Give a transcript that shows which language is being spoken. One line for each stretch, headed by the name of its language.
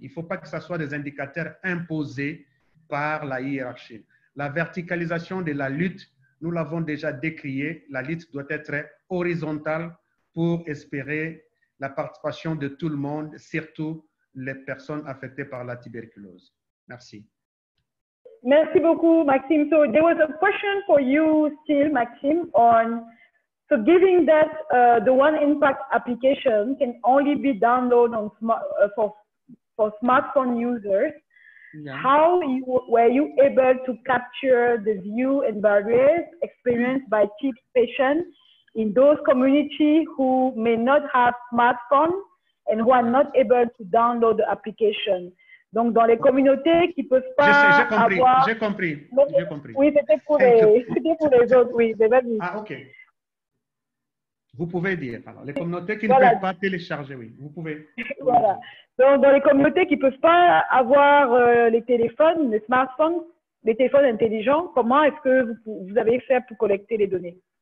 French: Il ne faut pas que ce soit des indicateurs imposés par la hiérarchie. La verticalisation de la lutte, nous l'avons déjà décriée. La lutte doit être horizontale pour espérer la participation de tout le monde, surtout les personnes affectées par la tuberculose. Merci. Merci beaucoup, Maxime.
English: So there was a question for you still, Maxime, on so giving that the One Impact application can only be downloaded on for smartphone users. Yeah. How were you able to capture the view and barriers experienced by TB patients in those communities who may not have smartphones and who are not able to download the application?
French: Donc, dans les communautés qui ne peuvent pas avoir... J'ai compris. Oui, c'était pour les, autres, oui. Ah, OK. Vous pouvez dire, alors, les communautés qui ne peuvent pas télécharger, oui, vous pouvez. Voilà. Donc, dans les communautés qui ne peuvent pas avoir les téléphones, les smartphones, les téléphones intelligents, comment est-ce que vous avez fait pour collecter les données?